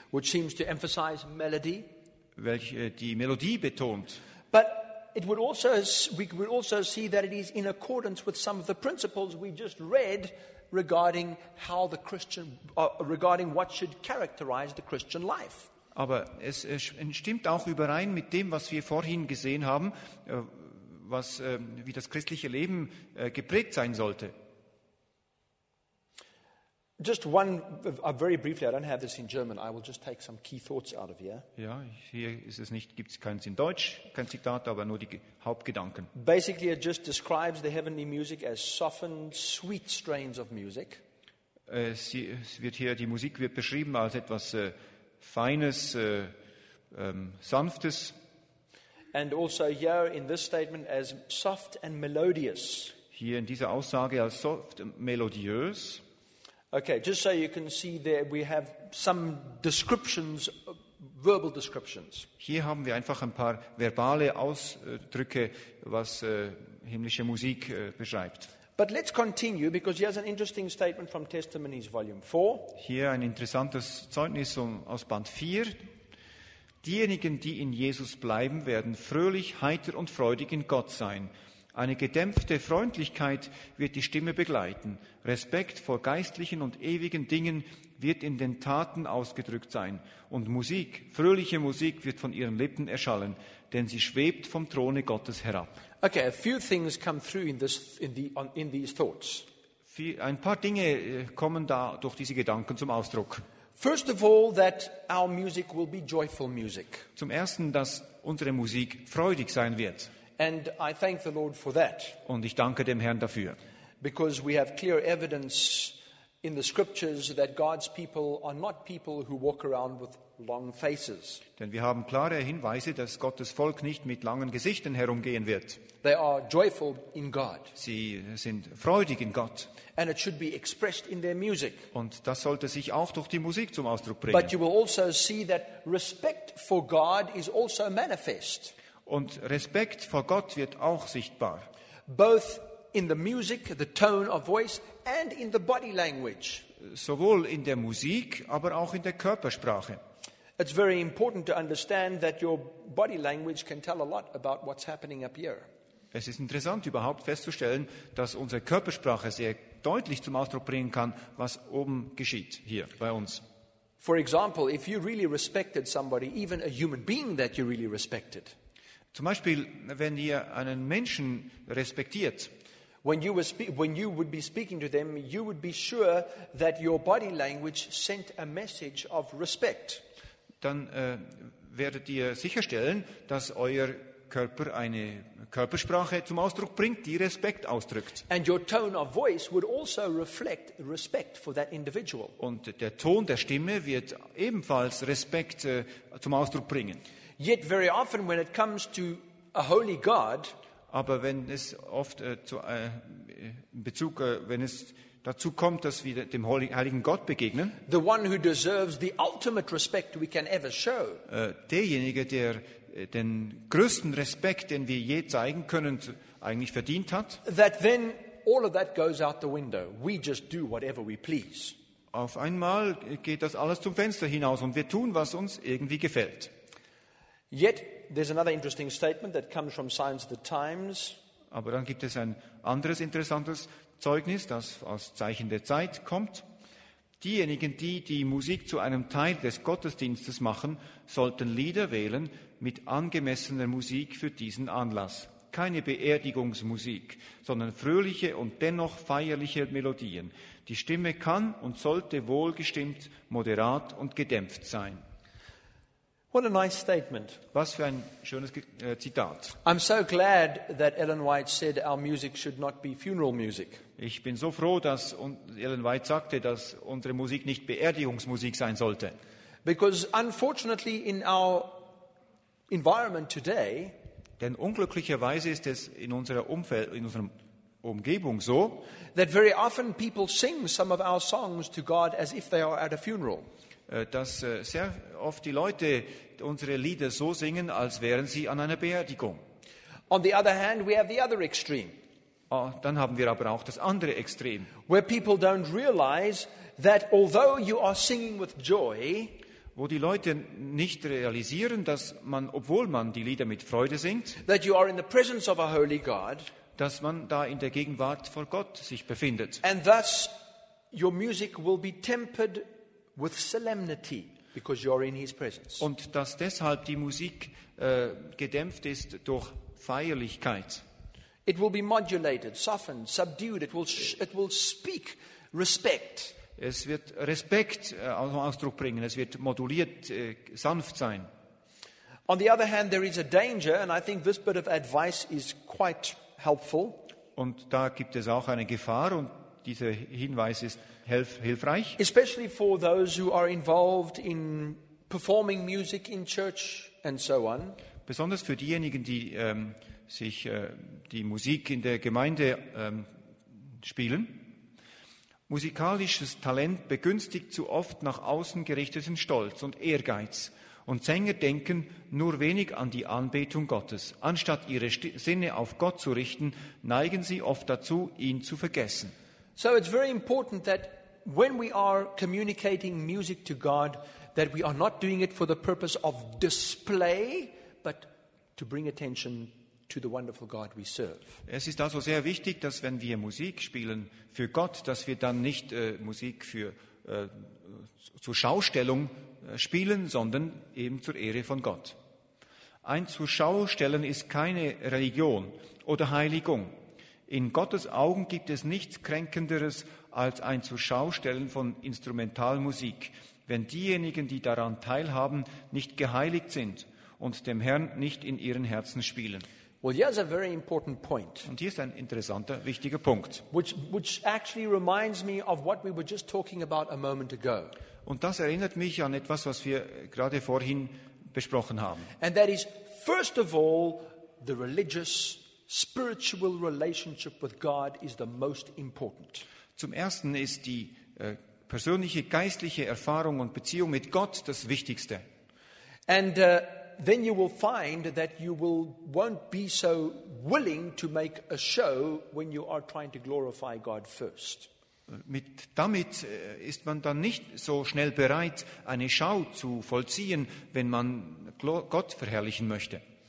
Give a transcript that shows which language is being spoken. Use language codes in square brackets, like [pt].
[en] which seems to emphasize melody, [de] welche die Melodie betont. [en] But it would also we would also see that it is in accordance with some of the principles we just read regarding how the Christian regarding what should characterize the Christian life. [de] Aber es stimmt auch überein mit dem, was wir vorhin gesehen haben, was wie das christliche Leben geprägt sein sollte. [en] Just one very briefly, I don't have this in German. I will just take some key thoughts out of here. [de] Ja, hier ist es nicht, gibt's keins in Deutsch, kein Zitat, aber nur die Hauptgedanken. [en] Basically it just describes the heavenly music as softened sweet strains of music. [de] Es wird hier die Musik wird beschrieben als etwas feines sanftes. [en] And also here in this statement as soft and melodious. [de] Hier in dieser Aussage als soft melodiös. [en] Okay, just so you can see there we have some descriptions, verbal descriptions. [de] Hier haben wir einfach ein paar verbale Ausdrücke, was himmlische Musik beschreibt. [en] But let's continue because here's an interesting statement from Testimonies Volume 4. [de] Hier ein interessantes Zeugnis aus Band 4. Diejenigen, die in Jesus bleiben, werden fröhlich, heiter und freudig in Gott sein. Eine gedämpfte Freundlichkeit wird die Stimme begleiten. Respekt vor geistlichen und ewigen Dingen wird in den Taten ausgedrückt sein. Und Musik, fröhliche Musik, wird von ihren Lippen erschallen, denn sie schwebt vom Throne Gottes herab. [en] Okay, a few things come through in these thoughts. [de] Ein paar Dinge kommen da durch diese Gedanken zum Ausdruck. [en] First of all, that our music will be joyful music. [de] Zum Ersten, dass unsere Musik freudig sein wird. [en] And I thank the Lord for that. [de] Und ich danke dem Herrn dafür. [en] Because we have clear evidence in the scriptures that God's people are not people who walk around with long faces. [de] Denn wir haben klare Hinweise, dass Gottes Volk nicht mit langen Gesichtern herumgehen wird. [en] They are joyful in God. [de] Sie sind freudig in Gott. [en] And it should be expressed in their music. [de] Und das sollte sich auch durch die Musik zum Ausdruck bringen. [en] But you will also see that respect for God is also manifest. [de] Und Respekt vor Gott wird auch sichtbar. [en] Both in the music, the tone of voice, and in the body language. [de] Sowohl in der Musik, aber auch in der Körpersprache. [en] It's very important to understand that your body language can tell a lot about what's happening up here. [de] Es ist interessant, überhaupt festzustellen, dass unsere Körpersprache sehr deutlich zum Ausdruck bringen kann, was oben geschieht hier bei uns. [en] For example, if you really respected somebody, even a human being that you really respected. [de] Zum Beispiel, wenn ihr einen Menschen respektiert, [en] when you would be speaking to them, you would be sure that your body language sent a message of respect. [de] Dann werdet ihr sicherstellen, dass euer Körper eine Körpersprache zum Ausdruck bringt, die Respekt ausdrückt. [en] And your tone of voice would also reflect respect for that individual. [de] Und der Ton der Stimme wird ebenfalls Respekt zum Ausdruck bringen. [en] Yet very often when it comes to a holy God, [de] aber wenn es oft wenn es dazu kommt, dass wir dem heiligen Gott begegnen, [en] the one who deserves the ultimate respect we can ever show, [de] derjenige, der den größten Respekt, den wir je zeigen können, eigentlich verdient hat, [en] that then all of that goes out the window. We just do whatever we please. [de] Auf einmal geht das alles zum Fenster hinaus und wir tun, was uns irgendwie gefällt. [en] Yet there's another interesting statement that comes from Signs of the Times. [de] Aber dann gibt es ein anderes interessantes Zeugnis, das aus Zeichen der Zeit kommt. Diejenigen, die die Musik zu einem Teil des Gottesdienstes machen, sollten Lieder wählen mit angemessener Musik für diesen Anlass. Keine Beerdigungsmusik, sondern fröhliche und dennoch feierliche Melodien. Die Stimme kann und sollte wohlgestimmt, moderat und gedämpft sein. [en] What a nice statement. [de] Was für ein schönes Zitat. [en] I'm so glad that Ellen White said our music should not be funeral music. [de] Ich bin so froh, dass Ellen White sagte, dass unsere Musik nicht Beerdigungsmusik sein sollte. [en] Because unfortunately in our environment today, [de] denn unglücklicherweise ist es in unserer Umfeld, in unserem Umgebung so, [en] that very often people sing some of our songs to God as if they are at a funeral. [de] Dass sehr oft die Leute unsere Lieder so singen, als wären sie an einer Beerdigung. [en] On the other hand, we have the other extreme. [de] Oh, dann haben wir aber auch das andere Extrem. [en] Where people don't realize that although you are singing with joy, [de] wo die Leute nicht realisieren, dass man, obwohl man die Lieder mit Freude singt, [en] that you are in the presence of a holy God, [de] dass man da in der Gegenwart vor Gott sich befindet. [en] And thus your music will be tempered with solemnity because you are in his presence. [de] Und dass deshalb die Musik gedämpft ist durch Feierlichkeit. [en] It will be modulated, softened, subdued. It will speak respect. [de] Es wird Respekt zum Ausdruck bringen. Es wird moduliert, sanft sein. [en] On the other hand, there is a danger, and I think this bit of advice is quite helpful. [de] Und da gibt es auch eine Gefahr, und dieser Hinweis ist hilfreich. [en] Especially for those who are involved in performing music in church and so on. [de] Besonders für diejenigen, die sich die Musik in der Gemeinde spielen. Musikalisches Talent begünstigt zu oft nach außen gerichteten Stolz und Ehrgeiz. Und Sänger denken nur wenig an die Anbetung Gottes. Anstatt ihre Sinne auf Gott zu richten, neigen sie oft dazu, ihn zu vergessen. [en] So it's very important that when we are communicating music to God, that we are not doing it for the purpose of display, but to bring attention to the wonderful God we serve. [de] Es ist also sehr wichtig, dass wenn wir Musik spielen für Gott, dass wir dann nicht Musik für zur Schaustellung spielen, sondern eben zur Ehre von Gott. Ein Zuschaustellen ist keine Religion oder Heiligung. In Gottes Augen gibt es nichts Kränkenderes als ein Zuschaustellen von Instrumentalmusik, wenn diejenigen, die daran teilhaben, nicht geheiligt sind und dem Herrn nicht in ihren Herzen spielen. [en] Well, here's a very important point. [de] Und hier ist ein interessanter, wichtiger Punkt. [en] Which actually reminds me of what we were just talking about a moment ago. [de] Und das erinnert mich an etwas, was wir gerade vorhin besprochen haben. [en] And that is, first of all, the religious, spiritual relationship with God is the most important. [de] Zum ersten ist die persönliche, geistliche Erfahrung und Beziehung mit Gott das Wichtigste. [en] And then you will find that you will won't be so willing to make a show when you are trying to glorify God first. [de] Damit ist man dann nicht so schnell bereit, eine Schau zu vollziehen, wenn man Gott verherrlichen möchte.